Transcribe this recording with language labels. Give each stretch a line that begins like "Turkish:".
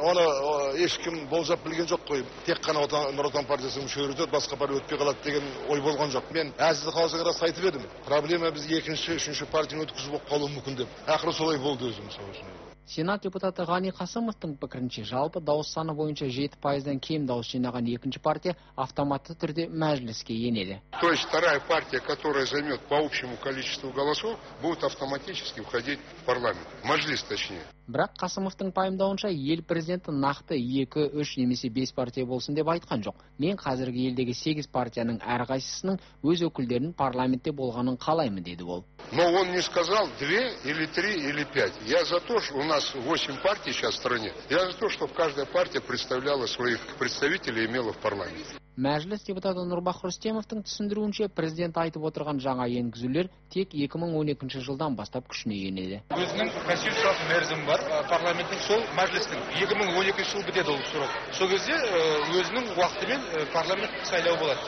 Kazakh: Оны ешкім болжап білген жоқ қой. Тек қана Нұр Отан партиясының мүшелері өтеді, басқа партия өтпей қалады деген ой болған жоқ. Мен әзіз қазақ арасында айтып едім. Проблема біз екінші, үшінші партияны өткізіп қалуы мүмкін деп. Ақыры солай болды өзім сауысын. Сенат депутаты Ғани Қасымовтың пікірінше, жалпы дауыс саны бойынша 7%-ден кем дауыс жинаған екінші партия автоматты түрде мәжіліске енеді.
Russian: То есть вторая партия, которая займет по общему количеству голосов, будет автоматически входить в парламент. Мәжіліс, точнее.
Kazakh: Бірақ Қасымовтың пайымдауынша ел президенті нақты 2-3 немесе 5 партия болсын деп айтқан жоқ. Мен қазіргі елдегі 8 партияның әрқайсысының өз өкілдерін парламентте болғанын қалаймын, деді ол.
Russian: Но он не сказал 2 или 3 или 5. Я за то, что у нас 8 партий сейчас в стране. Я за то, чтобы каждая партия представляла своих представителей и имела в парламенте.
Kazakh: Мәжіліс депутаты Нұрбах Рүстемовтың түсіндіруінше, президент айтып отырған жаңа енгізулер тек 2012 жылдан бастап күшіне енеді. Өзінің конституциялық мерзімі бар, парламенттің сол мәжілістің 2012 жылы бітеді ол срок. Сол кезде өзінің уақытымен парламент сайлау болады.